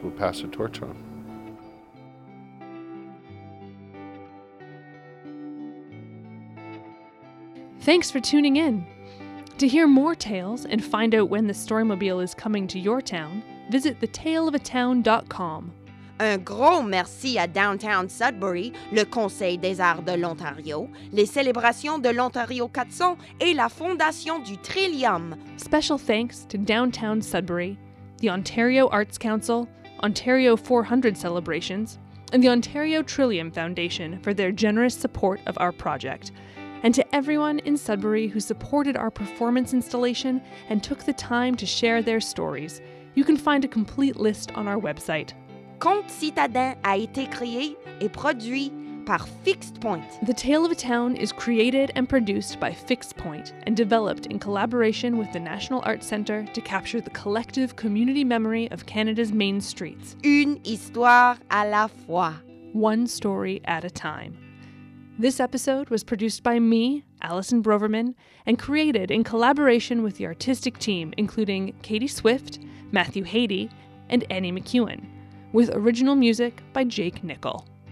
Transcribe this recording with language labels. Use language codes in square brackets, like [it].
[en] We'll pass the torch on. Thanks for tuning in. To hear more tales and find out when the Storymobile is coming to your town, visit thetaleofatown.com. [fr] Un gros merci à Downtown Sudbury, le Conseil des arts de l'Ontario, les célébrations de l'Ontario 400 et la fondation du Trillium. [en] Special thanks to Downtown Sudbury, the Ontario Arts Council, Ontario 400 Celebrations, and the Ontario Trillium Foundation for their generous support of our project. And to everyone in Sudbury who supported our performance installation and took the time to share their stories, you can find a complete list on our website. [fr] Conte Citadin a été créé et produit par Fixed Point. [en] The Tale of a Town is created and produced by Fixed Point and developed in collaboration with the National Arts Centre to capture the collective community memory of Canada's main streets. [fr] Une histoire à la fois. [en] One story at a time. This episode was produced by me, Allison Broverman, and created in collaboration with the artistic team, including Katie Swift, Matthew Haiti, and Annie McEwen, with original music by Jake Nickel.